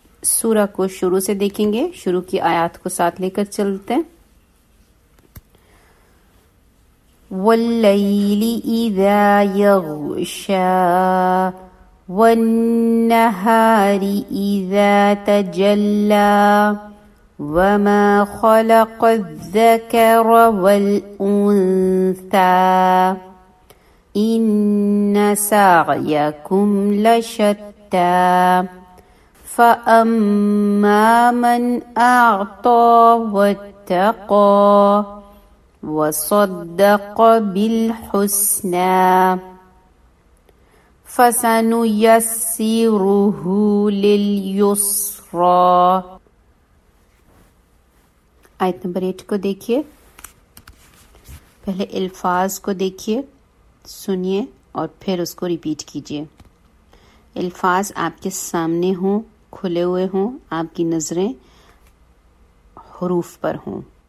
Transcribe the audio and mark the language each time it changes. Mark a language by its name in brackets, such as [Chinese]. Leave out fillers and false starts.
[Urdu] سورة کو شروع سے دیکھیں گے, شروع کی آیات کو ساتھ لے کر چلتے ہیں. [Arabic] والليل إذا يغشى والنهار إذا تجلى وما خلق الذكر والأنثى إن سعيكم لشتى فأما من أعطى واتقى وصدق بالحسنى فَسَنُيَسِّرُهُ لِلْيُسْرَى. [Urdu] آیت نمبر 8 کو دیکھئے, پہلے الفاظ کو دیکھئے, سنیے اور پھر اس کو ریپیٹ کیجئے. الفاظ آپ کے سامنے ہوں, کھلے ہوئے ہوں, آپ کی نظریں حروف پر ہوں.